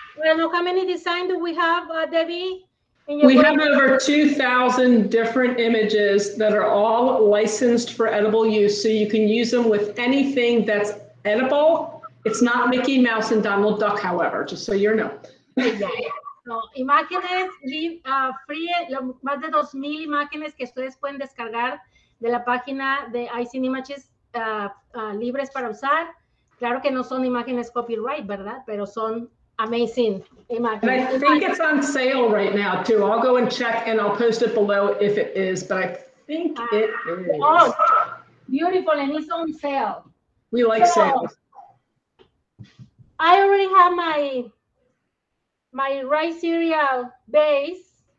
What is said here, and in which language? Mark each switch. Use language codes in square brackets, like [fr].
[en] I don't know how many designs do we have, Debbie? We have over 2,000 different images that are all licensed for edible use, so you can use them with anything that's edible. It's not Mickey Mouse and Donald Duck, however, just so you know. [es] No, imágenes free, más de 2,000 imágenes que ustedes pueden descargar de la página de Icing Images, libres para usar. Claro que no son imágenes copyright, ¿verdad? Pero son amazing imágenes. [en] And I think it's on sale right now, too. I'll go and check and I'll post it below if it is, but I think it is. Oh, beautiful, and it's on sale. We like sales. I already have my rice cereal base.